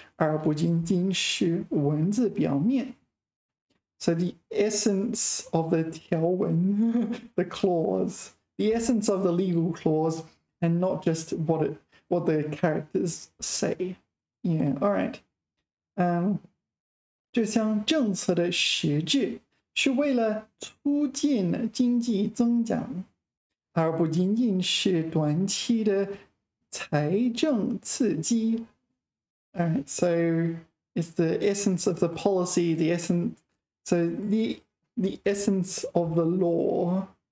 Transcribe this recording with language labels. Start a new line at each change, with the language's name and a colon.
Chinese: 在解释法律时，法官必须理解法律条文的实质，而不仅仅是文字表面.
English: So the essence of the 条文, the clause, the essence of the legal clause, and not just what the characters say. Yeah. All right.
Chinese: 就像政策的实质. 是为了促进经济增长，而不仅仅是短期的财政刺激.
English: Alright, so it's the essence of the policy, the essence, so the essence of the law.